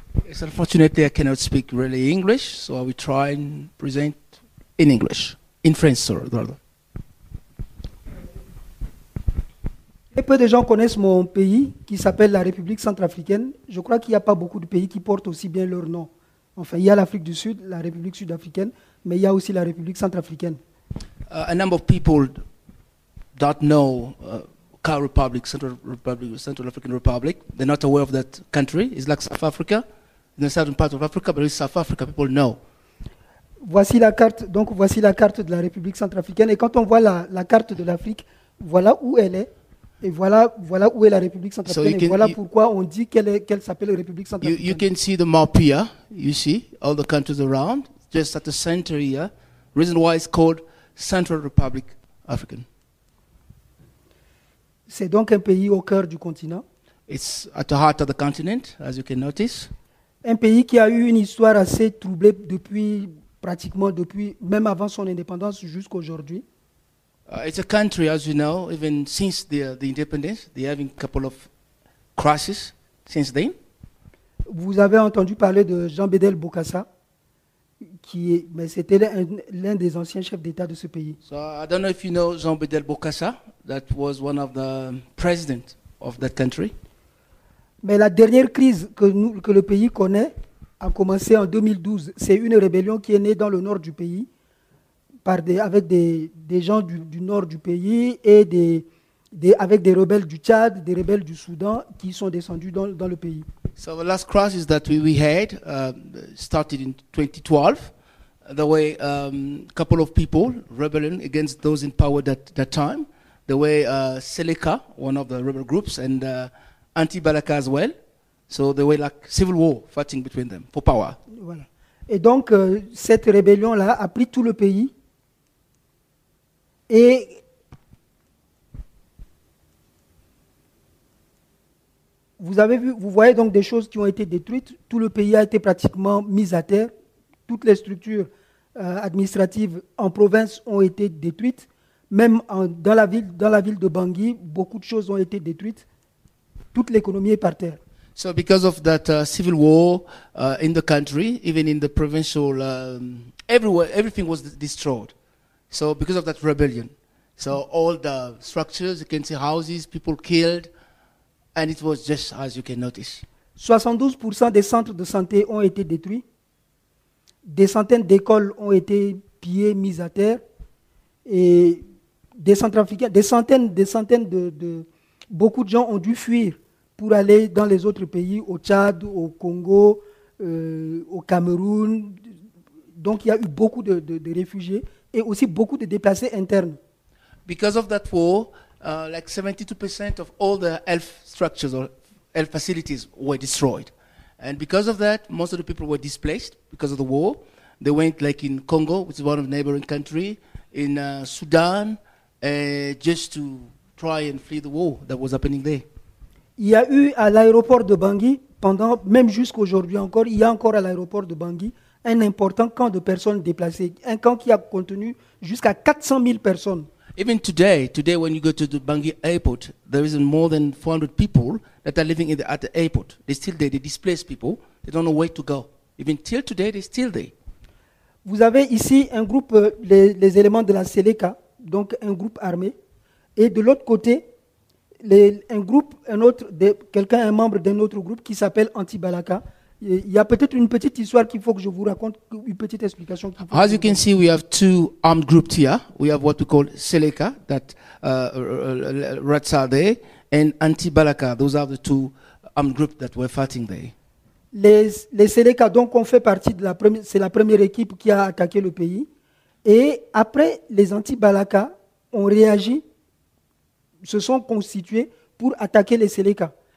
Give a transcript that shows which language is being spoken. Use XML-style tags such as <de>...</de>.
<en>It's unfortunate I cannot speak really English, so I will try and present in English. In French, rather.</en> <fr>Et peu de gens connaissent mon pays qui s'appelle la République centrafricaine. Je crois qu'il n'y a pas beaucoup de pays qui portent aussi bien leur nom. Enfin, il y a l'Afrique du Sud, la République sud-africaine, mais il y a aussi la République centrafricaine.</fr> <en>A number of people don't know Car Republic, Central Republic, Central African Republic. They're not aware of that country. It's like South Africa, in the southern part of Africa, but it's South Africa, people know.</en> <fr>Voici la carte, donc voici la carte de la République centrafricaine. Et quand on voit la carte de l'Afrique, voilà où elle est. Et voilà où est la République centrafricaine. So et voilà pourquoi on dit qu'elle s'appelle République centrafricaine.</fr> <en>You can see the map here. You see all the countries around, just at the center here. Reason why it's called Central Republic African.</en> <fr>C'est donc un pays au cœur du continent.</fr> <en>It's at the heart of the continent, as you can notice.</en> <fr>Un pays qui a eu une histoire assez troublée depuis pratiquement depuis même avant son indépendance jusqu'à aujourd'hui.</fr> <en>It's a country, as you know, even since the independence, they have a couple of crises since then.</en> <fr>Vous avez entendu parler de Jean-Bédel Bokassa, mais c'était l'un des anciens chefs d'État de ce pays.</fr> <en>So I don't know if you know Jean-Bédel Bokassa, that was one of the president of that country.</en> <fr>Mais la dernière crise que le pays connaît a commencé en 2012. C'est une rébellion qui est née dans le nord du pays. Avec des gens du nord du pays et avec des rebelles du Tchad, des rebelles du Soudan qui sont descendus dans le pays.</fr> <en>So the last crisis that we had started in 2012. There were a couple of people rebelling against those in power at that time. There were Seleka, one of the rebel groups, and Anti-Balaka as well. So there were like civil war fighting between them for power.</en> <fr>Voilà. Et donc cette rébellion là a pris tout le pays. Vous voyez donc des choses qui ont été détruites. Tout le pays a été pratiquement mis à terre. Toutes les structures administratives en province ont été détruites. Même dans la ville de Bangui, beaucoup de choses ont été détruites. Toute l'économie est par terre.</fr> <en>So because of that civil war in the country, even in the provincial, everywhere, everything was destroyed. So because of that rebellion. So all the structures, you can see houses, people killed, and it was just as you can notice.</en> <fr>72% des centres de santé ont été détruits. Des centaines d'écoles ont été pillées, mises à terre. Et des centres africains, des centaines de beaucoup de gens ont dû fuir pour aller dans les autres pays, au Tchad, au Congo, au Cameroun. Donc il y a eu beaucoup de réfugiés et aussi beaucoup de déplacés internes.</fr> <en>Because of that war, like 72% of all the health structures or health facilities were destroyed. And because of that, most of the people were displaced because of the war. They went like in Congo, which is one of the neighboring countries, in Sudan, just to try and flee the war that was happening there.</en> <fr>Il y a eu à l'aéroport de Bangui, pendant, même jusqu'à aujourd'hui encore, il y a encore à l'aéroport de Bangui, un important camp de personnes déplacées, un camp qui a contenu jusqu'à 400 000 personnes.</fr> <en>Even today when you go to the Bangui airport, there is more than 400 people that are living at the airport. They're still there, they displaced people, they don't know where to go. Even till today, they're still there.</en> <fr>Vous avez ici un groupe, les éléments de la Seleka, donc un groupe armé. Et de l'autre côté, un membre d'un autre groupe qui s'appelle Anti-Balaka. Il y a peut-être une petite histoire qu'il faut que je vous raconte, une petite explication.</fr> <en>As you can see, we have two armed groups here. We have what we call Seleka, that rats are there, and Anti-Balaka. Those are the two armed groups that were fighting there.</en> <fr>Les Seleka, donc, ont fait partie de c'est la première équipe qui a attaqué le pays. Et après, les Anti-Balaka ont réagi, se sont constitués pour attaquer les Seleka.</fr>